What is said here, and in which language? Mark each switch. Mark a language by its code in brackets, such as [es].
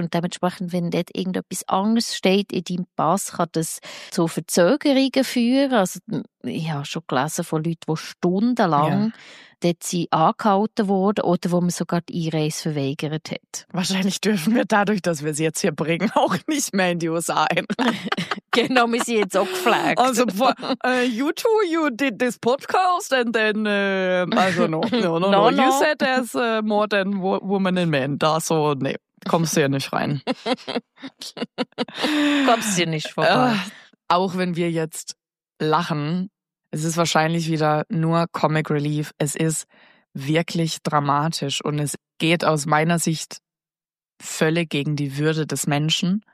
[de] Und dementsprechend, wenn dort irgendetwas anderes steht in deinem Pass, kann das zu Verzögerungen führen. Also, ich habe schon gelesen von Leuten, die stundenlang dort sie angehalten wurden oder wo man sogar die Einreise verweigert hat. Wahrscheinlich dürfen wir dadurch, dass wir sie jetzt hier bringen, auch nicht mehr in die USA ein. Genau, wir sind jetzt auch geflaggt. [en] Also, you two, you did this podcast and then, also no. You said there's more than women and men. [de] Da so, nee, kommst du ja nicht rein. Kommst du nicht vorbei. Auch wenn wir jetzt lachen, es ist wahrscheinlich wieder nur Comic Relief. Es ist wirklich dramatisch und es geht aus meiner Sicht völlig gegen die Würde des Menschen.